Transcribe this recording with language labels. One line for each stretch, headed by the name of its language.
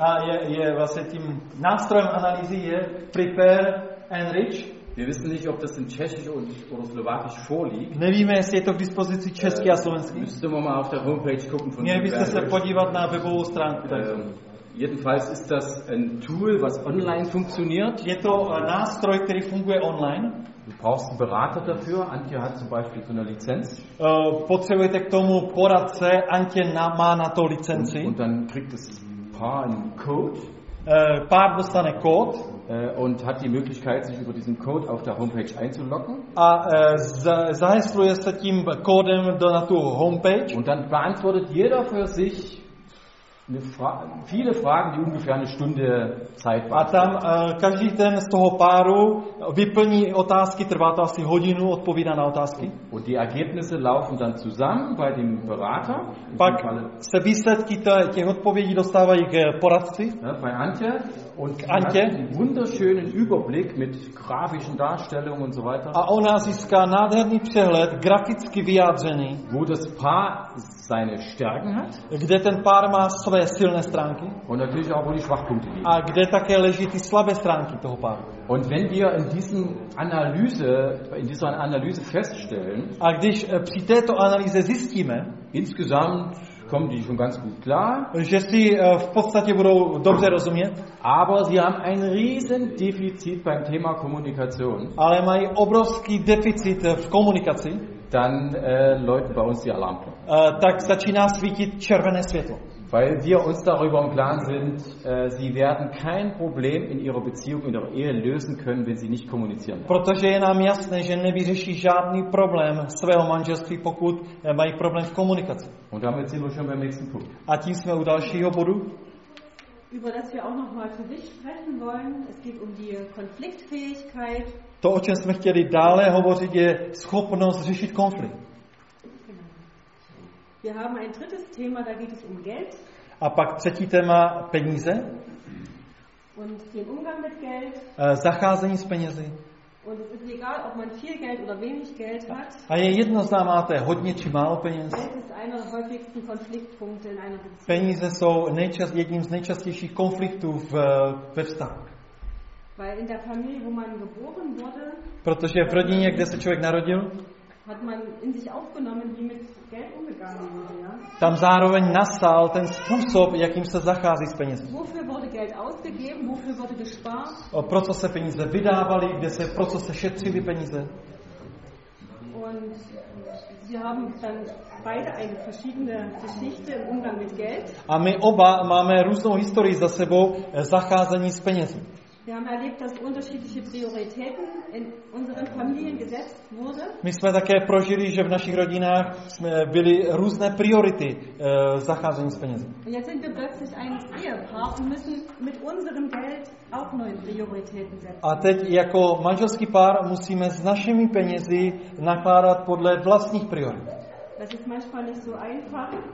Czech: A je vlastně tím nástrojem analýzy je prepare and enrich.
German: Wir wissen nicht, ob das in Tschechisch oder Slowakisch vorliegt.
Czech: Nevíme, jestli je to k dispozici česky a slovenský.
German: Müsste man mal auf der Homepage gucken von
Czech: Mir bitte se podívat na webovou stránku.
German: Jedenfalls ist das ein Tool, was online funktioniert.
Czech: Je to nástroj, který funguje online.
German: Du brauchst einen Berater dafür. Antje hat zum Beispiel so eine Lizenz.
Czech: Potřebujete k tomu poradce. Antje má na to licenci.
German: Und dann kriegt das Paar einen Code.
Czech: Pár dostane kód.
German: Und hat die Möglichkeit, sich über diesen Code auf der Homepage einzuloggen.
Czech: A zahesluje se tím kódem na tu Homepage.
German: Und dann beantwortet jeder für sich viele Fragen, die ungefähr eine Stunde Zeit waren.
Czech: A tam každý ten z toho páru vyplní otázky, trvá to asi hodinu, odpovídá na otázky.
German: Und die Ergebnisse laufen dann zusammen bei dem Berater.
Czech: Pak se výsledky těch odpovědí dostávají k poradci.
German: Ja, bei Antje. Und Antje. Hat einen wunderschönen Überblick mit grafischen Darstellungen und so weiter.
Czech: A ona získá nádherný přehled, graficky vyjádřený.
German: Wo das Paar seine Stärken hat.
Czech: Kde ten pár má své silné stránky.
German: Und natürlich auch, wo die Schwachpunkte liegen.
Czech: A kde také leží ty slabé stránky toho páru.
German: Und wenn wir in dieser Analyse feststellen,
Czech: a když při této analýze zjistíme,
German: insgesamt kommen die schon ganz gut klar,
Czech: že si v podstatě budou dobře rozumět, aber sie haben ein riesen Defizit beim Thema Kommunikation, ale mají obrovský deficit v komunikaci,
German: dann läuten bei uns die Alarmglocken.
Czech: Tak začíná svítit červené světlo.
German: Weil wir uns darüber im Klaren sind, sie werden kein Problem in ihrer Beziehung, in ihrer Ehe lösen können, wenn sie nicht kommunizieren.
Czech: Protože je nám jasné, že nevyřeší žádný problém svého manželství, pokud mají problém v komunikaci.
German: Und damit sind wir schon beim nächsten Punkt.
Czech: A tím jsme u dalšího bodu.
German: Über das wir auch noch mal zu sich sprechen wollen. Es geht um die Konfliktfähigkeit.
Czech: To, o čem jsme chtěli dále hovořit, je schopnost řešit konflikt.
German: Wir haben ein drittes Thema, da geht es um Geld.
Czech: A pak třetí téma, peníze.
German: Und den Umgang mit Geld.
Czech: Zacházení s penězi.
German: Und es ist egal, ob man viel Geld oder wenig Geld hat.
Czech: A je jedno, zda máte hodně či málo peněz.
German: Geld ist einer der häufigsten Konfliktpunkte in einer Beziehung.
Czech: Peníze jsou jedním z nejčastějších konfliktů ve vztahu.
German: Weil in der Familie, wo man geboren wurde.
Czech: Protože v rodině, kde se člověk narodil.
German: Hat man in sich aufgenommen, wie mit Geld umgegangen wurde, ja?
Czech: Tam zároveň nastal ten způsob, jakým se zachází s penězi.
German: Wofür wurde Geld ausgegeben, wofür wurde gespart?
Czech: Pro co se peníze vydávaly, pro co se šetřily peníze?
German: Und sie haben dann beide eine verschiedene Geschichte im Umgang mit Geld.
Czech: A my oba máme různou historii za sebou zacházení s penězi.
German: Wir haben erlebt, dass unterschiedliche Prioritäten in unseren Familien gesetzt wurde.
Czech: My jsme také prožili, že v našich rodinách jsme byly různé priority zacházení s penězi.
German: Und jetzt sind wir plötzlich ein Ehepaar und müssen mit unserem Geld auch neue Prioritäten setzen.
Czech: A teď jako manželský pár musíme s našimi penězi nakládat podle vlastních priorit.
German: Das ist manchmal nicht so einfach.